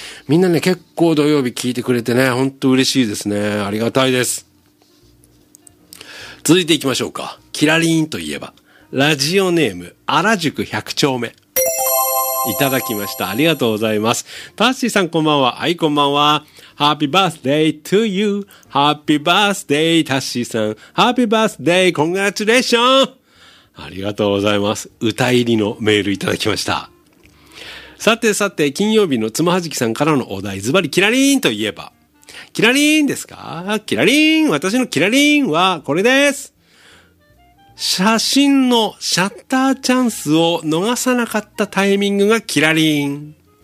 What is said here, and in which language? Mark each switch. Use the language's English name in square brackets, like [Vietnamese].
[Japanese] みんなね、結構土曜日聞いてくれてね、ほんと嬉しいですね。ありがたいです。続いていきましょうか。キラリーンといえば、ラジオネーム、荒宿100丁目。いただきました。ありがとうございます。タッシーさん、こんばんは。はい、こんばんは。 [English] Happy birthday to you.Happy birthday, タッシーさん。 Happy birthday, congratulations! [Japanese] ありがとうございます。歌入りのメールいただきました。さてさて、金曜日のつまはじきさんからのお題、ズバリキラリーンといえば、キラリーンですか？キラリーン、私のキラリーンはこれです。写真のシャッターチャンスを逃さなかったタイミングがキラリーン。